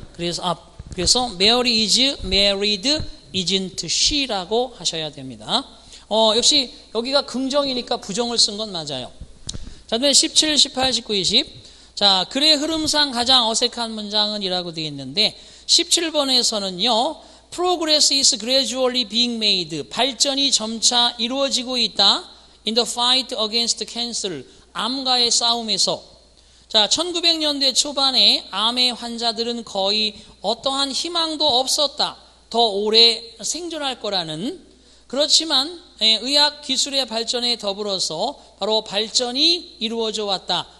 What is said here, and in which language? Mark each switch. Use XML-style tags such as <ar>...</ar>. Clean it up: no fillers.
<ko>그래서 메어리 is married isn't she 라고 하셔야 됩니다. 역시 여기가 긍정이니까 부정을 쓴 건 맞아요. 자, 17, 18, 19, 20. 자, 글의 흐름상 가장 어색한 문장은 이라고 되어 있는데 17번에서는요.</ko> <en>Progress is gradually being made.</en> <ko>발전이 점차 이루어지고 있다.</ko> <en>In the fight against cancer.</en> <ko>암과의 싸움에서. 자, 1900년대 초반에 암의 환자들은 거의 어떠한 희망도 없었다. 더 오래 생존할 거라는. 그렇지만 의학 기술의 발전에 더불어서 바로 발전이 이루어져 왔다.</ko>